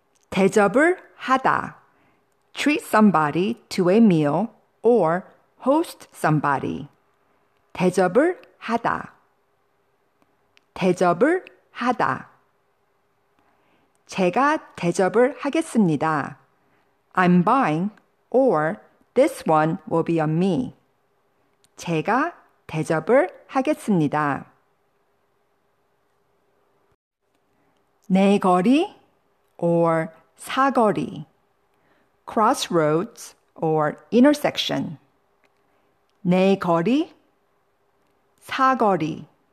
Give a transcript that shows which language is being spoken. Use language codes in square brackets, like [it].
[ko] 대접을 하다. [en] Treat somebody to a meal or host somebody. [ko] 대접을 하다. 대접을 하다. 제가 대접을 하겠습니다. [en] I'm buying or this one will be on me. [ko] 제가 대접을 하겠습니다. 내 거리 [en] or 사거리, crossroads or intersection. [ko] 내 거리, 사거리.